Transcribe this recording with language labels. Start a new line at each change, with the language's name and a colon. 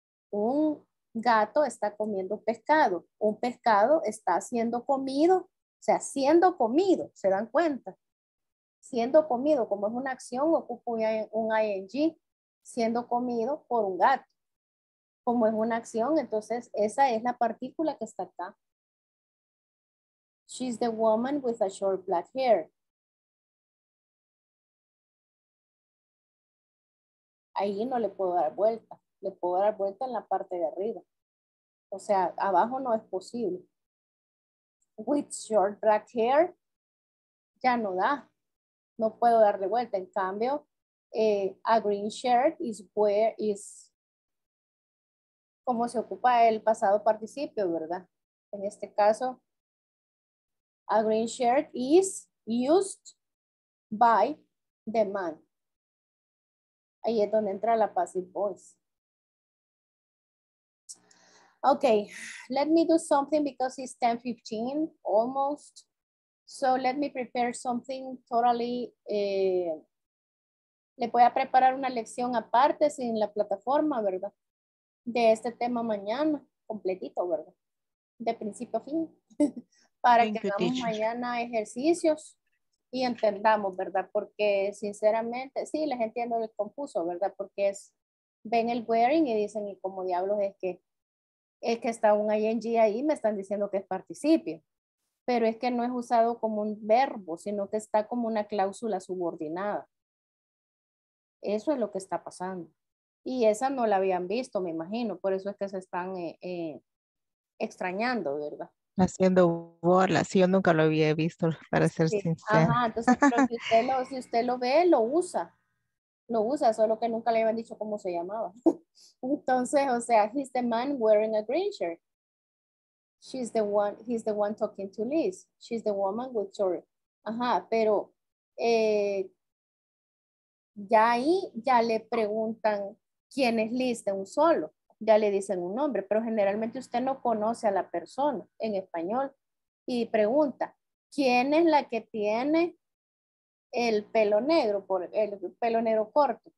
Spanish: Un gato está comiendo pescado. Un pescado está siendo comido. O sea, siendo comido. ¿Se dan cuenta? Siendo comido, como es una acción, ocupo un ING. Siendo comido por un gato. Como es una acción, entonces esa es la partícula que está acá.
English: She's the woman with a short black hair.
Spanish: Ahí no le puedo dar vuelta. Le puedo dar vuelta en la parte de arriba. O sea, abajo no es posible.
English: With short black hair,
Spanish: ya no da. No puedo darle vuelta. En cambio,
English: a green shirt is where is,
Spanish: como se ocupa el pasado participio, ¿verdad? En este caso,
English: a green shirt is used by the man.
Spanish: Ahí es donde entra la
English: passive voice. Okay, let me do something because it's 10:15 almost. So let me prepare something totally.
Spanish: Le voy a preparar una lección aparte sin la plataforma, ¿verdad? De este tema mañana, completito, ¿verdad? De principio a fin. para que hagamos mañana ejercicios y entendamos, ¿verdad? Porque sinceramente, sí, les entiendo el confuso, ¿verdad? Porque es, ven el wearing y dicen, y como diablos es que está un ing ahí, me están diciendo que es participio. Pero es que no es usado como un verbo, sino que está como una cláusula subordinada. Eso es lo que está pasando. Y esa no la habían visto, me imagino. Por eso es que se están extrañando, ¿verdad? Haciendo bolas. Sí, yo nunca lo había visto, para ser sí. sincero. Ajá, entonces si usted lo ve, lo usa. Lo usa, solo que nunca le habían dicho cómo se llamaba. Entonces, o sea,
English: he's the man wearing a green shirt. She's the one, he's the one talking to Liz. She's the woman with short.
Spanish: Ajá, pero ya ahí ya le preguntan quién es Liz de un solo. Ya le dicen un nombre, pero generalmente usted no conoce a la persona en español y pregunta, ¿quién es la que tiene el pelo negro, por el pelo negro corto?